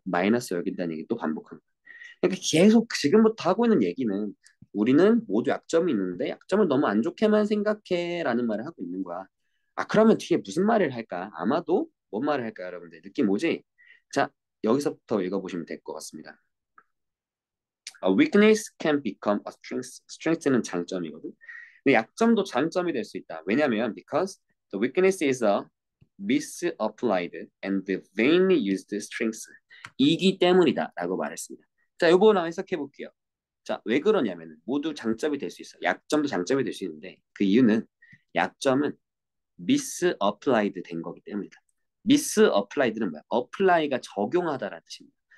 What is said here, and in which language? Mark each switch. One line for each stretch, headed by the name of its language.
Korean: 마이너스 여긴다는 얘기 또 반복한 거야. 그러니까 계속 지금부터 하고 있는 얘기는 우리는 모두 약점이 있는데 약점을 너무 안 좋게만 생각해라는 말을 하고 있는 거야. 아, 그러면 뒤에 무슨 말을 할까? 아마도 뭔 말을 할까, 여러분들? 느낌 오지? 자, 여기서부터 읽어보시면 될것 같습니다.
English: A weakness can become a strength.
Korean: Strength는 장점이거든. 근데 약점도 장점이 될수 있다. 왜냐하면
English: because the weakness is a misapplied and vainly used strength.
Korean: 이기 때문이다라고 말했습니다. 자, 요거 한번 해석해 볼게요. 자, 왜 그러냐면 모두 장점이 될수 있어. 약점도 장점이 될수 있는데 그 이유는 약점은 미스어플라이드 된 거기 때문이다. 미스어플라이드는 뭐야? 어플라이가 적용하다라는 뜻입니다.